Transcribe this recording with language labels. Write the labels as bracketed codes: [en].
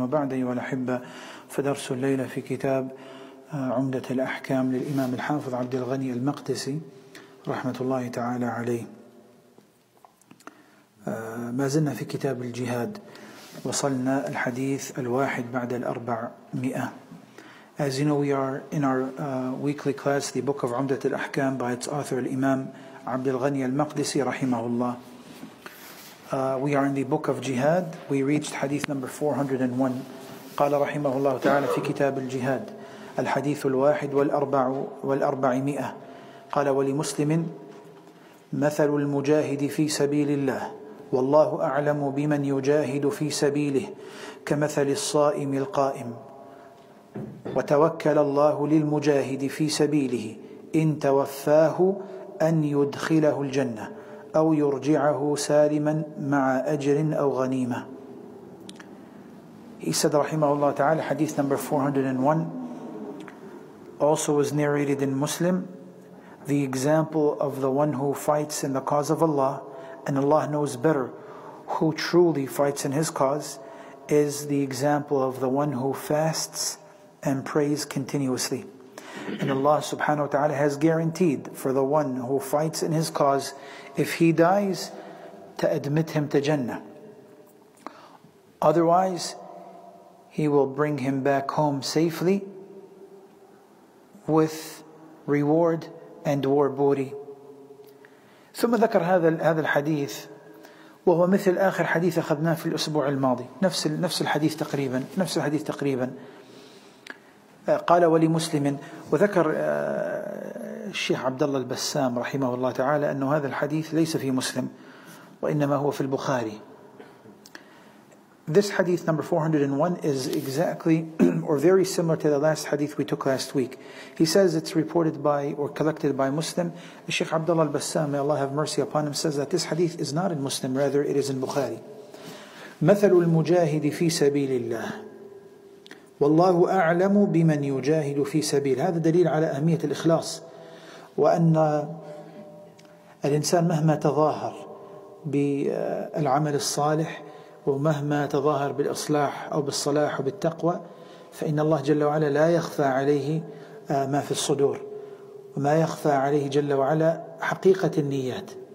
[ar] وبعد أيها الأحبة، فدرس الليلة في كتاب عمدة الأحكام للإمام الحافظ عبد الغني المقدسي رحمة الله تعالى عليه. ما زلنا في كتاب الجهاد، وصلنا الحديث الواحد بعد الأربعمائة. [en] As you know, we are in our weekly class, the book of عمدة الأحكام by its author, الإمام عبد الغني المقدسي رحمه الله. We are in the book of jihad. We reached hadith number 401. [ar] قال رحمه الله تعالى في كتاب الجهاد الحديث الواحد والأربعمائة. قال: ولمسلم مثل المجاهد في سبيل الله، والله أعلم بمن يجاهد في سبيله، كمثل الصائم القائم. وتوكل الله للمجاهد في سبيله إن توفاه أن يدخله الجنة أو يرجعه سالما مع أجر أو غنيمة. [en] He said رحمه الله تعالى, حديث number 401 also was narrated in Muslim. The example of the one who fights in the cause of Allah, and Allah knows better who truly fights in his cause, is the example of the one who fasts and prays continuously. And Allah subhanahu wa ta'ala has guaranteed for the one who fights in his cause, if he dies, to admit him to Jannah. Otherwise, he will bring him back home safely with reward and war booty. [ar] ثم ذكر هذا الحديث وهو مثل آخر حديث أخذناه في الأسبوع الماضي، نفس الحديث تقريبا. قال: ولمسلم، وذكر الشيخ عبد الله البسام رحمه الله تعالى أنه هذا الحديث ليس في مسلم، وإنما هو في البخاري. [en] This hadith number 401 is exactly or very similar to the last hadith we took last week. He says it's reported by or collected by Muslim. Sheikh Abdullah al-Bassam, may Allah have mercy upon him, says that this hadith is not in Muslim, rather it is in Bukhari. [ar] مثل المجاهد في سبيل الله والله أعلم بمن يجاهد في سبيل. هذا دليل على أهمية الإخلاص، وأن الإنسان مهما تظاهر بالعمل الصالح ومهما تظاهر بالإصلاح أو بالصلاح وبالتقوى، فإن الله جل وعلا لا يخفى عليه ما في الصدور، وما يخفى عليه جل وعلا حقيقة النيات.